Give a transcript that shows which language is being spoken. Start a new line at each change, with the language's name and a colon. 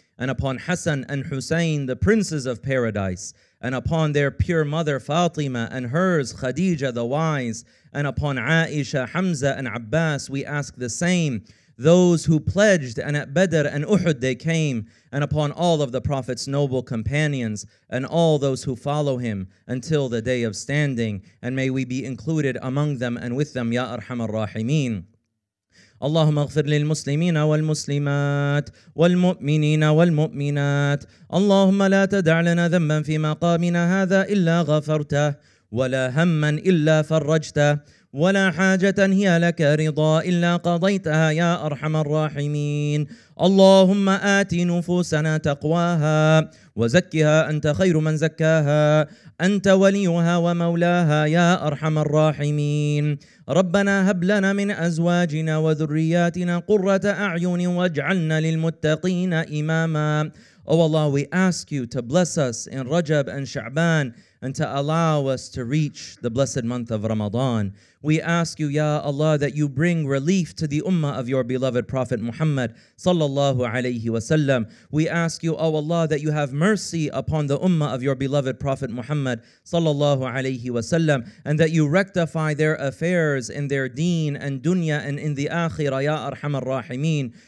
English: and upon Hassan and Hussein, the princes of paradise, and upon their pure mother Fatima and hers Khadija the wise, and upon Aisha, Hamza and Abbas, we ask the same, those who pledged, and at Badr and Uhud they came, and upon all of the Prophet's noble companions, and all those who follow him until the day of standing, and may we be included among them and with them,
Arabic: Ya Arhamar Rahimeen. اللهم اغفر للمسلمين والمسلمات والمؤمنين والمؤمنات اللهم لا تدع لنا ذنبا في مقامنا هذا إلا غفرته ولا همّا إلا فرجته ولا حاجة هي لك رضا إلا قضيتها يا أرحم الراحمين اللهم آت نفوسنا تقواها وزكها أنت خير من زكاها أنت وليها ومولاها يا أرحم الراحمين ربنا هب لنا من أزواجنا وذرياتنا قرة أعين واجعلنا للمتقين إماما.
English: Oh Allah, we ask you to bless us in Rajab and Sha'ban and to allow us to reach the blessed month of Ramadan. We ask you, Ya Allah, that you bring relief to the ummah of your beloved Prophet Muhammad
Arabic: sallallahu alayhi wa sallam.
English: We ask you, O Allah, that you have mercy upon the ummah of your beloved Prophet Muhammad
Arabic: sallallahu alayhi wa sallam,
English: and that you rectify their affairs in their deen and dunya and in the akhirah,
Arabic: Ya Arhamar Rahimeen.